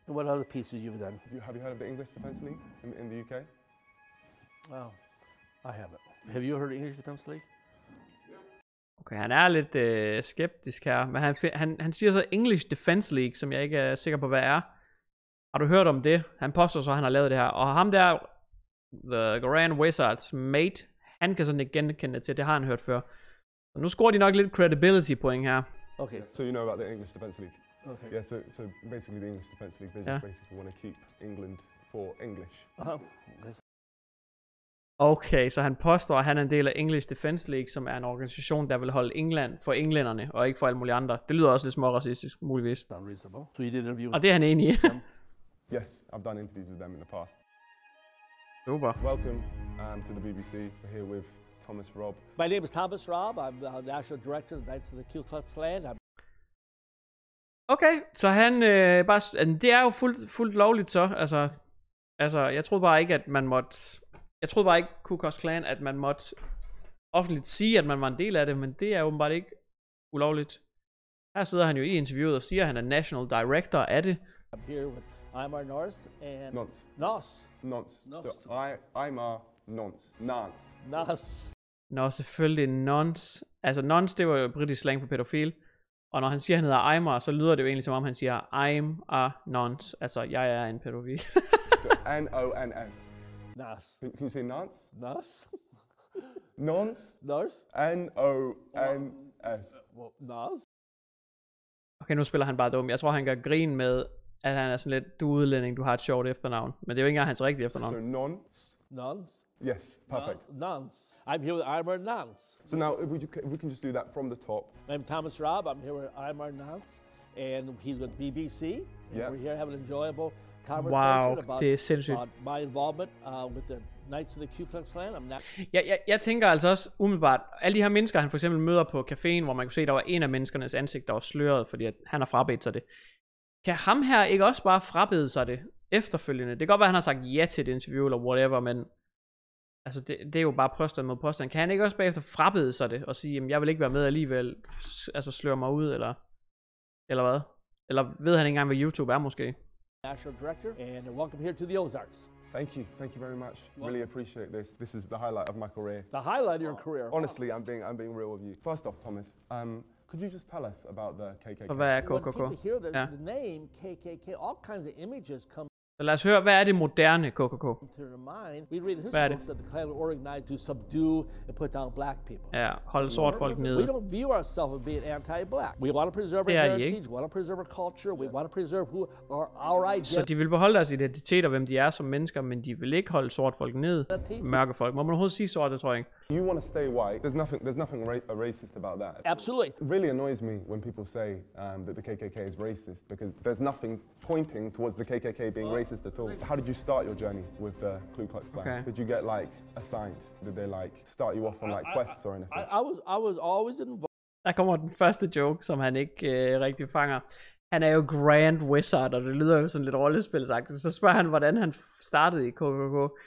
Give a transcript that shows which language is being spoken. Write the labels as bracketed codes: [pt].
[en] And what other pieces you've done? Have you heard of the English Defense League in the UK? Oh, I haven't. Have you heard English Defense League? [da] Okay, han er lidt skeptisk her, men han siger så English Defense League, som jeg ikke er sikker på, hvad er. Har du hørt om det? Han påstår så, at han har lavet det her. Og ham der, The Grand Wizard's mate, han kan sådan ikke genkende til, det har han hørt før. Så nu scorer de nok lidt credibility point her. Okay. [en] So you know about the English Defense League? Okay. Yeah, so basically the English Defense League, they just basically want to keep England for English. [da] Okay, så han påstår, at han er en del af English Defense League, som er en organisation, der vil holde England for englænderne, og ikke for alle mulige andre. Det lyder også lidt småracistisk, muligvis. [en] So you did interview with... [da] Og det er han enig i. [en] Yes, I've done interviews with them in the past. Super. Welcome to the BBC. We're here with Thomas Robb. My name is Thomas Robb. I'm the National Director of the Knights of the Ku Klux Klan. [da] Okay, så han bare... Det er jo fuldt lovligt så. Altså, jeg troede bare ikke, at man måtte... Jeg troede bare ikke, Ku Klux Klan, at man måtte offentligt sige, at man var en del af det, men det er åbenbart ikke ulovligt. Her sidder han jo i interviewet og siger, at han er National Director af det. [en] I'm here with Imar Nons and... Nons. Nons. Nons. Nons. So, Imar Nons. Nons. Nons. [da] Nå, selvfølgelig Nons. Altså, Nons, det var jo britisk slang for pædofil. Og når han siger, han hedder Imar, så lyder det jo egentlig, som om han siger, I'm a Nons. Altså, jeg er en pædofil. Så, N-O-N-S. [en] Nas. Can you say Nans? Nas. Nons? Nors? N-O-N-S. Nas? [da] Okay, nu spiller han bare dum. Jeg tror, han gør grin med, at han er sådan lidt, du udlænding, du har et sjovt efternavn. Men det er jo ikke engang hans rigtige efternavn. [en] So Nons? Nans? Yes, perfect. Nans. I'm here with Imar Nans. So now, if we can just do that from the top. I'm Thomas Robb. I'm here with Imar Nans. And he's with BBC. Yeah. We're here having an enjoyable... Wow, about, [da] det er sindssygt. [en] My involvement with the Knights of the Ku Klux Klan. I'm not... [da] Jeg tænker altså også umiddelbart, alle de her mennesker, han for eksempel møder på caféen, hvor man kunne se, der var en af menneskernes ansigt, der var sløret, fordi at han har frabedt sig det. Kan ham her ikke også bare frabede sig det efterfølgende? Det kan godt være, han har sagt ja til et interview eller whatever, men altså det er jo bare påstand mod påstand. Kan han ikke også bagefter frabede sig det og sige, jamen, jeg vil ikke være med alligevel, altså sløre mig ud eller hvad? Eller ved han ikke engang, hvad YouTube er måske? [en] National Director, and welcome here to the Ozarks. Thank you very much. Welcome. Really appreciate this. This is the highlight of my career. The highlight of your career? Honestly, I'm being real with you. First off, Thomas, could you just tell us about the KKK? [da] Hvad er KKK? [en] When people hear the name KKK, all kinds of images come... [da] Så lad os høre, hvad er det moderne KKK? [en] We read history books that the Klan were organized to subdue and put down black people. [da] Ja, holde sort folk nede. [en] We don't view ourselves as being anti-black. We want to preserve our heritage, we want to preserve our culture, we want to preserve who are our ideas. [da] Så de vil beholde deres identitet og hvem de er som mennesker, men de vil ikke holde sort folk nede. Mørke folk. Må man overhovedet sige sort, det tror jeg ikke. [en] You want to stay white. There's nothing racist about that. Absolutely. It really annoys me when people say that the KKK is racist, because there's nothing pointing towards the KKK being racist. How did you start your journey with the Ku Klux Klan? Okay. Did you get like assigned? Did they like start you off on like quests or anything? I was always involved. [da] Der kommer den første joke, som han ikke rigtig fanger. Han er jo Grand Wizard, og det lyder jo sådan lidt rollespilsagtigt. Så spørger han, hvordan han startede i KKK.